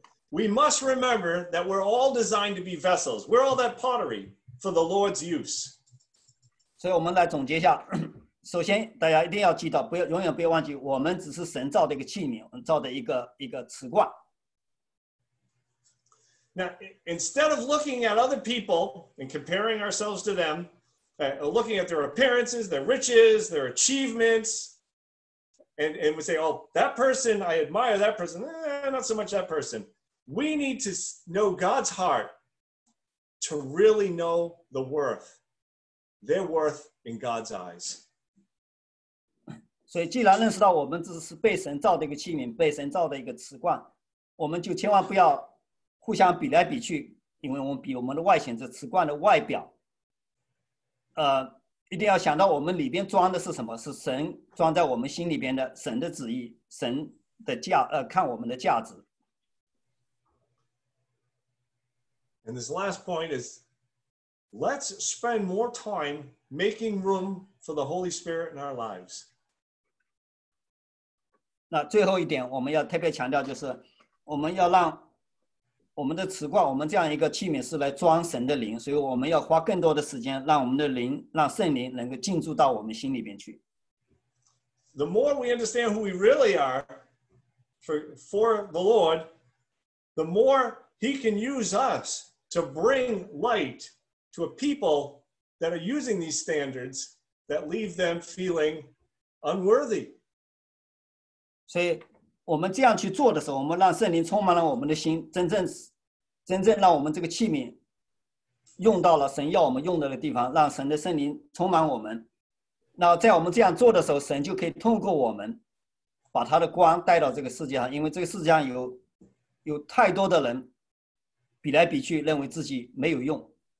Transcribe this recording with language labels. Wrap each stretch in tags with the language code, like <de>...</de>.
<en>We must remember that we're all designed to be vessels. We're all that pottery for the Lord's use.</en> <zh>所以我们来总结一下。首先，大家一定要记得，不要永远不要忘记，我们只是神造的一个器皿，造的一个瓷罐。</zh> <en>Now, instead of looking at other people and comparing ourselves to them, looking at their appearances, their riches, their achievements, and we say, oh, that person, I admire that person. Not so much that person. We need to know God's heart to really know the worth, their worth in God's eyes.</en> <zh>所以既然认识到我们只是被神造的一个器皿，被神造的一个瓷罐，我们就千万不要互相比来比去，因为我们比我们的外显，这瓷罐的外表，一定要想到我们里边装的是什么，是神装在我们心里边的神的旨意，神的看我们的价值。</zh> <en>And this last point is, let's spend more time making room for the Holy Spirit in our lives.</en> <zh>那最后一点我们要特别强调，就是我们要让我们的瓷罐，我们这样一个器皿是来装神的灵，所以我们要花更多的时间让我们的灵，让圣灵能够进驻到我们心里边去。</zh> <en>The more we understand who we really are, for the Lord, the more he can use us to bring light to a people that are using these standards that leave them feeling unworthy.</en> <zh>所以我们这样去做的时候，我们让圣灵充满了我们的心，真正让我们这个器皿用到了神要我们用的地方，让神的圣灵充满我们。那在我们这样做的时候，神就可以透过我们把他的光带到这个世界上，因为这个世界上有太多的人比来比去，认为自己没有用。</zh>